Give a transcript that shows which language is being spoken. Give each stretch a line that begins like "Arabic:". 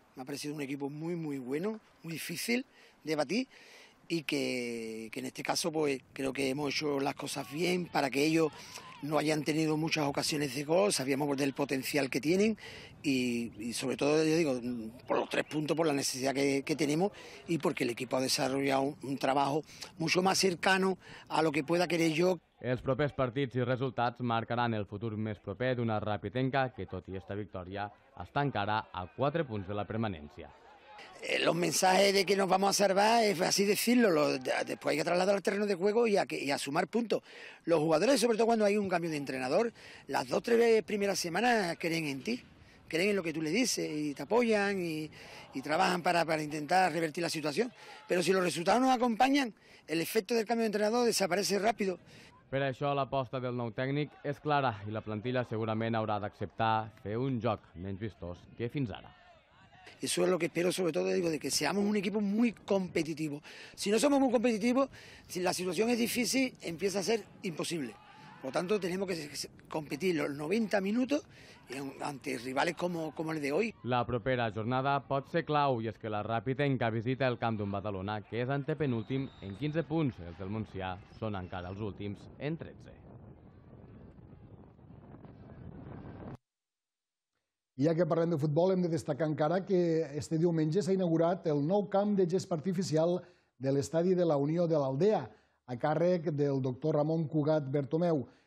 Spanish: Me ha parecido un equipo muy, muy bueno, muy difícil de batir, y que en este caso pues creo que hemos hecho las cosas bien para que ellos no hayan tenido muchas ocasiones de gol, sabíamos del potencial que tienen y sobre todo, yo digo, por los tres puntos, por la necesidad que tenemos y porque el equipo ha desarrollado un trabajo mucho más cercano a lo que pueda querer yo.
Catalan: Els propers partits i resultats marcaran el futur més proper d'una rapitenca que, tot i esta victòria, està encara a 4 punts de la permanència.
Spanish: Los mensajes de que nos vamos a salvar, es así decirlo, después hay que trasladar al terreno de juego y a sumar puntos. Los jugadores, sobre todo cuando hay un cambio de entrenador, las dos o tres primeras semanas creen en ti, creen en lo que tú le dices y te apoyan y trabajan para intentar revertir la situación. Pero si los resultados no acompañan, el efecto del cambio de entrenador desaparece rápido.
Catalan: Per això l'aposta del nou tècnic és clara i la plantilla segurament haurà d'acceptar fer un joc menys vistós que fins ara.
Spanish: Eso es lo que espero, sobre todo, digo, de que seamos un equipo muy competitivo. Si no somos muy competitivos, si la situación es difícil, empieza a ser imposible. Por lo tanto, tenemos que competir los 90 minutos ante rivales como el de hoy.
Catalan: La propera jornada pot ser clau i és que la rapitenca visita el camp d'un Badalona que és antepenúltim en 15 punts. Els del Montsià són encara els últims en 13. I ja que parlem de futbol, hem de destacar encara que este diumenge s'ha inaugurat el nou camp de gespa artificial de l'estadi de la Unió de l'Aldea, a càrrec del doctor Ramon Cugat Bertomeu.